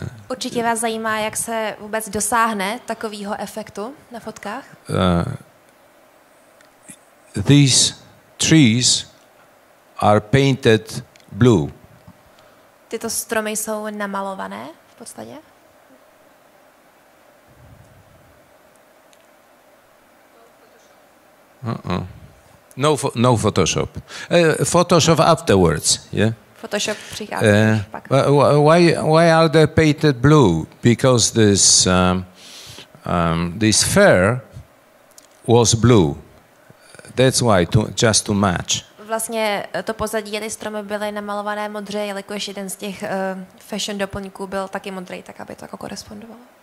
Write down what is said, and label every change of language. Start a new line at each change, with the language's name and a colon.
Czech: Určitě vás zajímá, jak se vůbec dosáhne takového efektu na fotkách.
English: These trees are painted blue.
Czech: Tyto stromy jsou namalované v podstatě.
English: No Photoshop. Photoshop afterwards, yeah.
Czech: Photoshop přichází pak.
English: Why are they painted blue? Because this this fur was blue. That's why just to match.
Czech: Vlastně to pozadí a ty stromy byly namalované modře, jelikož jeden z těch fashion doplňků byl taky modrý, tak aby to jako korespondovalo.